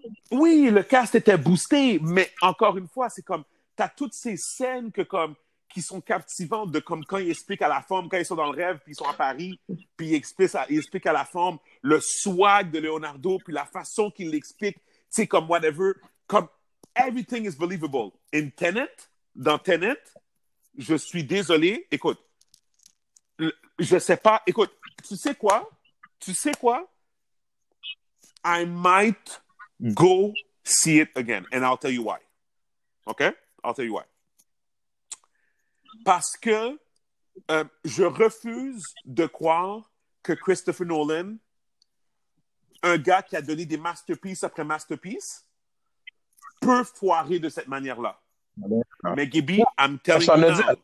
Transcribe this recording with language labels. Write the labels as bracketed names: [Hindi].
[French] Oui, le cast était boosté, mais encore une fois, c'est comme, t'as toutes ces scènes qui sont captivantes de comme quand ils expliquent à la femme, quand ils sont dans le rêve, puis ils sont à Paris, puis ils expliquent à la femme le swag de Leonardo, puis la façon qu'il l'explique, tu sais, comme whatever, comme [English] everything is believable. [French] In Tenet, dans Tenet, je suis désolé, écoute, je sais pas, écoute, tu sais quoi? [English] I might go see it again, and I'll tell you why. Okay? I'll tell you why. [French] Parce que je refuse de croire que Christopher Nolan, un gars qui a donné des masterpieces après masterpieces, peut foirer de cette manière-là. Ouais. Mais [English] Gibby, I'm telling you now.